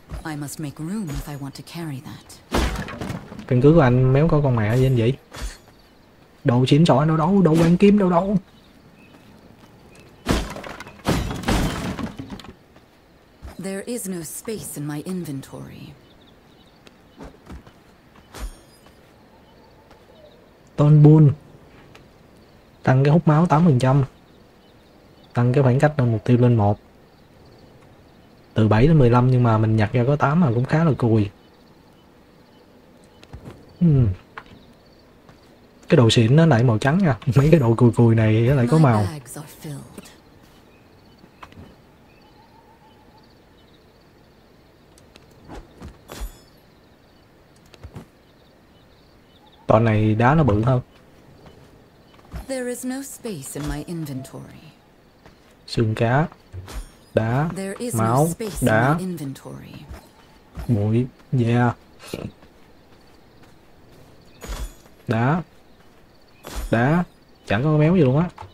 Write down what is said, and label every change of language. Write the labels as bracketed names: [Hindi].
[English] I must make room if I want to carry that. [Vietnamese] Căn cứ của anh méo có con mẹ gì anh vậy? Đồ xịn sỏi đâu đâu, đồ quan kim đâu đâu. [English] There is no space in my inventory. [Vietnamese] Tôn buôn. Tăng cái hút máu 8%. Tăng cái khoảng cách từ mục tiêu lên 1. Từ 7 đến 15 nhưng mà mình nhặt ra có 8 mà cũng khá là cùi. Cái đồ xịn nó lại màu trắng nha. Mấy cái đồ cùi cùi này nó lại có màu. Con này đá nó bự hơn. [English] There is no space in my inventory. [Vietnamese] Xương cá, đá, máu, đá, bụi, da, đá, đá, chẳng có méo gì luôn á.